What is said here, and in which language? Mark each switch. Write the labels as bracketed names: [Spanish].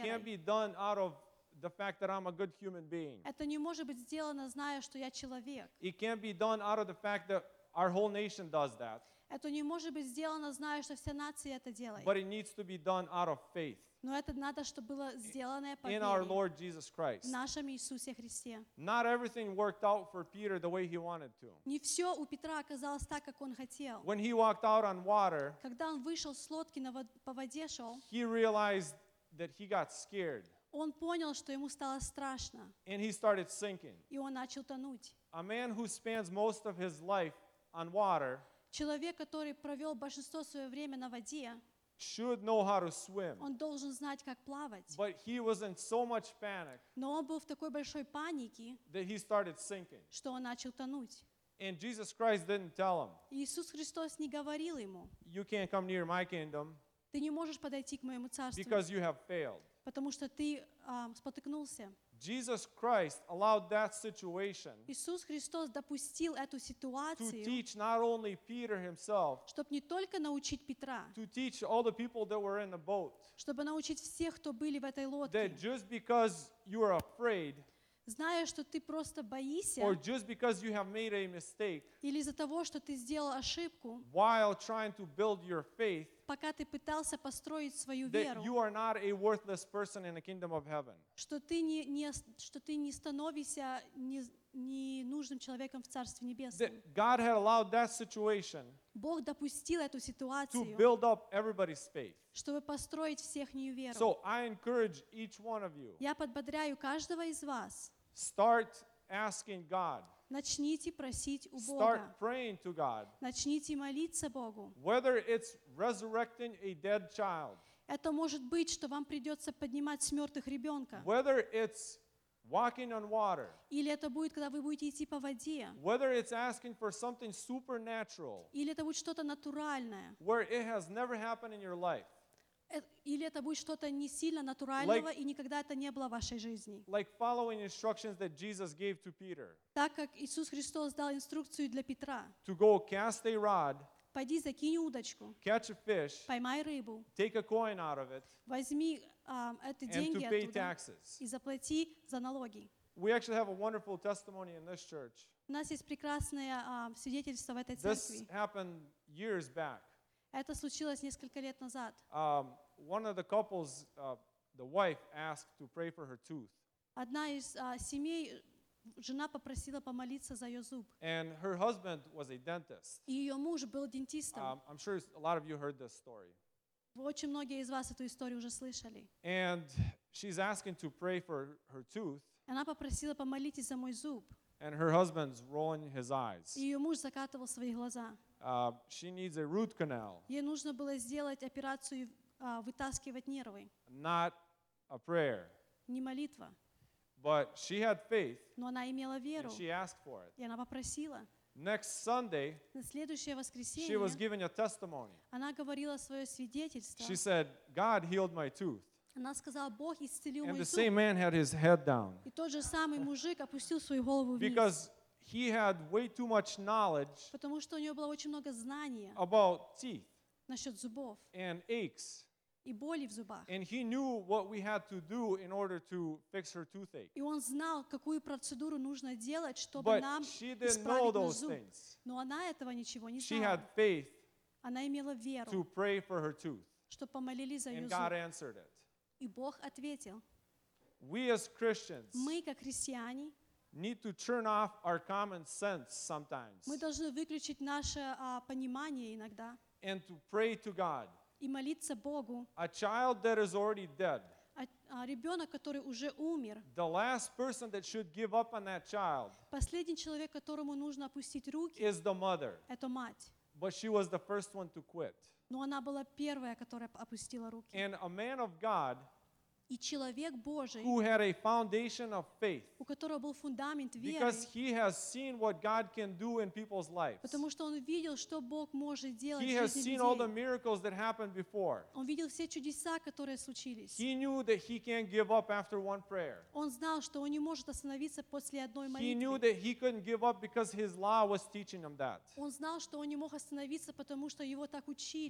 [English] It can't be done out of the fact that I'm a good human being. [Russian] Это не может быть сделано, зная, что я человек. [English] It can't be done out of the fact that our whole nation does that. [Russian] Это не может быть сделано, зная, что вся нация это делает. [English] But it needs to be done out of faith. [Russian] Но это надо, чтобы было сделано по вере. [English] In our Lord Jesus Christ. [Russian] В нашем Иисусе Христе. [English] Not everything worked out for Peter the way he wanted to. [Russian] Не все у Петра оказалось так, как он хотел. [English] When he walked out on water. [Russian] Когда он вышел с лодки на по воде шел. [English] He realized that he got scared. [Russian] Он понял, что ему стало страшно. [English] And he started sinking. [Russian] И он начал тонуть. [English] A man who spends most of his life on water. [Russian] Человек, который провел большинство своего времени на воде, [English] should know how to swim. [Russian] Он должен знать, как плавать. [English] But he was in so much panic. [Russian] Но он был в такой большой панике, [English] that he started sinking. [Russian] Что он начал тонуть. [English] And Jesus Christ didn't tell him. [Russian] Иисус Христос не говорил ему. [English] You can't come near my kingdom. [Russian] Ты не можешь подойти к моему царству. [English] Because you have failed. [Russian] Потому что ты спотыкнулся. [English] Jesus Christ allowed that situation. [Russian] Иисус Христос допустил эту ситуацию. [English] To teach not only Peter himself. [Russian] Чтобы не только научить Петра. [English] To teach all the people that were in the boat. [Russian] Чтобы научить всех, кто были в этой лодке. [English] That just because you are afraid. [Russian] Зная, что ты просто боишься. [English] Or just because you have made a mistake. [Russian] Или из-за того, что ты сделал ошибку. [English] While trying to build your faith. [Russian] Пока ты пытался построить свою веру. [English] That you are not a worthless person in the kingdom of heaven. [Russian] Что ты не становишься ненужным человеком в Царстве Небесном. [English] That God had allowed that situation. [Russian] Бог допустил эту ситуацию. [English] To build up everybody's faith. [Russian] Чтобы построить всех нею веру. [English] So I encourage each one of you. [Russian] Я подбодряю каждого из вас. [English] Start asking God. [Russian] Начните просить у Бога. [English] Start praying to God. [Russian] Начните молиться Богу. [English] Whether it's resurrecting a dead child. [Russian] Это может быть, что вам придется поднимать с мертвых ребенка. [English] Whether it's walking on water. [Russian] Или это будет, когда вы будете идти по воде. [English] Whether it's asking for something supernatural. [Russian] Или это будет что-то натуральное. [English] Where it has never happened in your life. [Russian] Или это будет что-то не сильно натурального, и никогда это не было в вашей жизни. [English] Like following instructions that Jesus gave to Peter. [Russian] Так как Иисус Христос дал инструкцию для Петра. [English] To go cast a rod. [Russian] Пойди закинь удочку. [English] Catch a fish. [Russian] Поймай рыбу. [English] Take a coin out of it. [Russian] Возьми эти деньги оттуда. [English] And to pay taxes. [Russian] И заплати за налоги. [English] We actually have a wonderful testimony in this church. [Russian] У нас есть прекрасное свидетельство в этой церкви. [English] This happened years back. [Russian] Это случилось несколько лет назад. [English] One of the couples, the wife asked to pray for her tooth. [Russian] Одна из семей, жена попросила помолиться за ее зуб. [English] And her husband was a dentist. [Russian] И ее муж был дентистом. [English] I'm sure a lot of you heard this story. [Russian] Очень многие из вас эту историю уже слышали. [English] And she's asking to pray for her tooth. [Russian] Она попросила помолиться за мой зуб. [English] And her husband's rolling his eyes. [Russian] И ее муж закатывал свои глаза. [English] She needs a root canal. [Russian] Ей нужно было сделать операцию, вытаскивать нервы. [English] Not a prayer. [Russian] Не молитва. [English] But she had faith. [Russian] Но она имела веру. [English] And she asked for it. [Russian] И она попросила. [English] Next Sunday. [Russian] На следующее воскресенье. [English] She was giving a testimony. [Russian] Она говорила свое свидетельство. [English] She said, "God healed my tooth." [Russian] Она сказала, Бог исцелил мой зуб. [English] And the same man had his head down. [Russian] И тот же самый мужик опустил свою голову вниз. [English] Because he had way too much knowledge. [Russian] Потому что у него было очень много знания. [English] About teeth. [Russian] Насчет зубов. [English] And aches. [Russian] И боли в зубах. [English] And he knew what we had to do in order to fix her toothache. [Russian] И он знал, какую процедуру нужно делать, чтобы [English] But [Russian] нам [English] she didn't know those things. [Russian] Но она этого ничего не знала. [English] She had faith. [Russian] Она имела веру. [English] To pray for her tooth. [Russian] Чтобы помолились за ее зуб. [English] And God answered it. [Russian] И Бог ответил. [English] We as Christians. [Russian] Мы как христиане. [English] Need to turn off our common sense sometimes. [Russian] Мы должны выключить наше понимание иногда. [English] And to pray to God. [Russian] И молиться Богу. [English] A child that is already dead. [Russian] Ребенок, который уже умер. [English] The last person that should give up on that child. [Russian] Последний человек, которому нужно опустить руки. [English] Is the mother. [Russian] Это мать. [English] But she was the first one to quit. [Russian] Но она была первая, которая опустила руки. [English] And a man of God. [Russian] И человек Божий, [English] who had a foundation of faith, [Russian] у которого был фундамент веры, [English] because he has seen what God can do in people's lives, [Russian] потому что он видел, что Бог может делать в жизни [English] He has seen all the miracles that happened before. [Russian] Он видел все чудеса, которые случились. [English] He knew that he can't give up after one prayer. [Russian] Он знал, что он не может остановиться после одной молитвы. [English] He knew that he couldn't give up because his law was teaching him that. [Russian] Он знал, что он не мог остановиться, потому что его так учили.